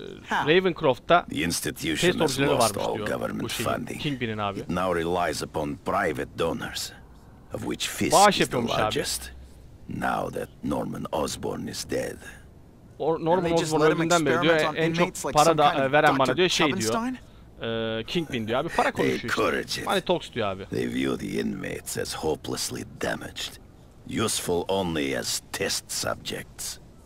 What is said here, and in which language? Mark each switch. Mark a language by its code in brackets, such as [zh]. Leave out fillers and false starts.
[en] Ravencroft'ta the institution has lost all government funding. Kingpin'in abi. It now relies upon private donors, of which Fisk is the largest. Now that Norman Osborn is dead. [tr] Norman Osborn öldüğünden beri diyor, en çok para da veren bana diyor, şey diyor. Kingpin diyor abi, para konuşuyor işte. Hani talks diyor abi. [en] They view the inmates as hopelessly damaged, useful only as test subjects.